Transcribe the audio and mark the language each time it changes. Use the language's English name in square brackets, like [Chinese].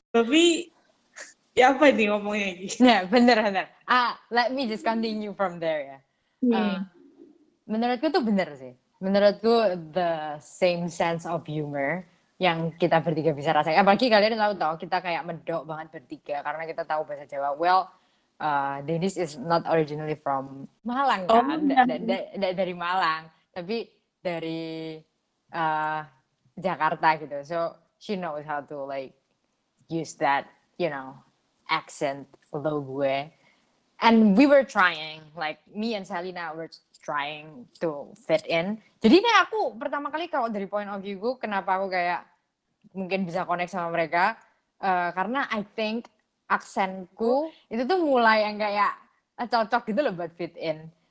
[Indonesian] Tapi ya apa ini ngomongnya gitu? Ya bener-bener. [English] Let me just continue from there ya. [Indonesian] Menurutku tuh bener sih. Menurutku [English] the same sense of humor [Indonesian] yang kita bertiga bisa rasain. Apalagi kalian tahu toh kita kayak medok banget bertiga karena kita tahu bahasa Jawa. [English] Well, Dennis is not originally from Malang kan? [Indonesian] Dari Malang. Tapi dari Jakarta gitu. [English] So she knows how to like use that, you know, accent low gue, and we were trying, like me and Selena were trying to fit in. [Indonesian] Jadi ini aku pertama kali kalau dari point of view gue, kenapa aku kayak mungkin bisa connect sama mereka, karena [English] I think [Indonesian] aksenku itu tuh mulai yang kayak cocok gitu loh buat fit in.